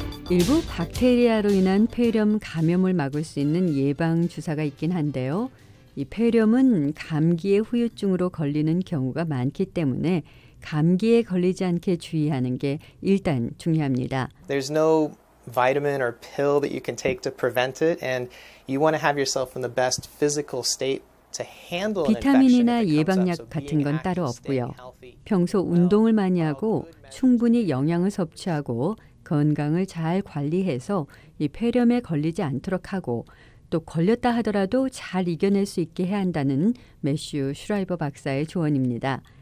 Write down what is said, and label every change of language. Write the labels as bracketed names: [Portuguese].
[Korean] 일부 박테리아로 인한 폐렴 감염을 막을 수 있는 예방 주사가 있긴 한데요. 이 폐렴은 감기의 후유증으로 걸리는 경우가 많기 때문에 감기에 걸리지 않게 주의하는 게 일단 중요합니다. [English] There's no vitamin or pill that you can take to prevent it and you want to have yourself in the best physical state. [Korean] 비타민이나 예방약 같은 건 따로 없고요. 평소 운동을 많이 하고 충분히 영양을 섭취하고 건강을 잘 관리해서 이 폐렴에 걸리지 않도록 하고 또 걸렸다 하더라도 잘 이겨낼 수 있게 해야 한다는 매슈 슈라이버 박사의 조언입니다.